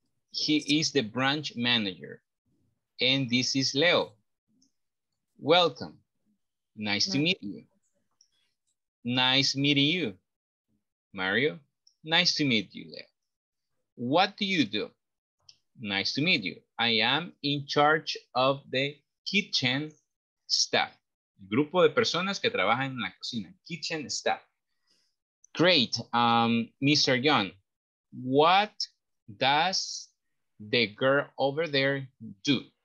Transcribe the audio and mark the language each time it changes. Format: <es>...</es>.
<en>He is the branch manager. And this is Leo. Welcome. Nice to meet you. Nice meeting you, Mario. Nice to meet you, Leo. What do you do? Nice to meet you. I am in charge of the kitchen staff.</en> <es>Grupo de personas que trabajan en la cocina.</es> <en>Kitchen staff. Great. Mr. John, what does the girl over there do?</en>